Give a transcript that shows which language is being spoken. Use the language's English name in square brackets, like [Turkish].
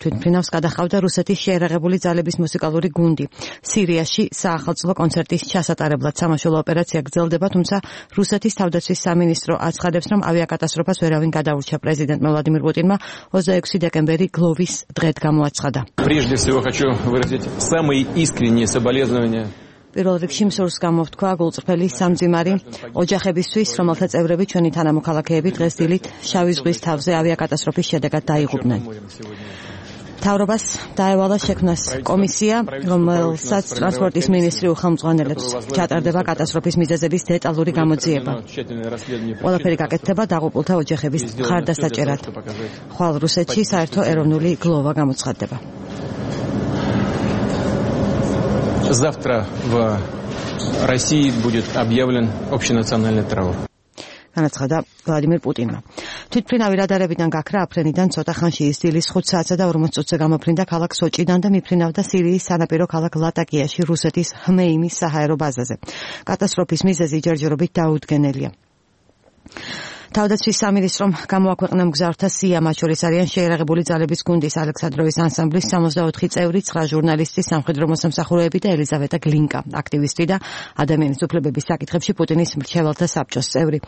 [Georgian] თვითმფრინავს გადახავდა რუსეთის შეერაღებული ძალების მუსიკალური გუნდი. სირიაში საახალწლო კონცერტის ჩასატარებლად სამაშველო ოპერაცია გრძელდება, თუმცა რუსეთის თავდაცვის სამინისტრო აცხადებს, რომ ავიაკატასტროფას ვერავინ გადაურჩა. პრეზიდენტ ვლადიმირ პუტინმა 26 დეკემბერი გლოვის დღეთ გამოაცხადა. [Russian] Прежде всего хочу выразить самые искренние соболезнования. [Georgian] პირველ რიგში მსურს გამოვთქვა გულწრფელი სამძიმარი ოჯახებისთვის, რომელთა წევრები ჩვენი თანამოქალაქეები დღეს დილით შავი ზღვის თავზე ავიაკატასტროფის შედეგად დაიღუპნენ. მთავრობას დაევალა შექმნას კომისია, რომელსაც ტრანსპორტის მინისტრი უხელმძღვანელებს. ჩატარდება კატასტროფის მიზეზების დეტალური გამოძიება. ყველაფერი გაკეთდება დაღუპულთა ოჯახების მხარდასაჭერად. ხვალ რუსეთში საერთო ეროვნული გლოვა გამოცხადდება. [Russian] Завтра в России будет объявлен общенациональный траур. [Georgian] განაცხადა ვლადიმირ პუტინმა. თვითმფრინავი რადარებიდან გაქრა აფრენიდან ცოტა ხანში ისტილის 5 საათსა და 40 წუთზე გამოფრინდა ქალაქ სოჭიდან და მიფრინავდა სირიის სანაპირო ქალაქ ლატაკიაში რუსეთის ჰმეიმის საჰაერო ბაზაზე. კატასტროფის მიზეზი ჯერჯერობით დაუდგენელია. თავდაცვის სამინისტრომ გამოაქვეყნა მგზავრთა სია, მათ შორის არიან შეერაღებული ძალების გუნდის ალექსანდროვის ანსამბლის 64 წევრი, 9 ჟურნალისტი, სამხედრო მოსამსახურეები და ელიზავეტა გლინკა, აქტივისტი და ადამიანის უფლებების საკითხებში პუტინის მრჩეველთა საბჭოს წევრი.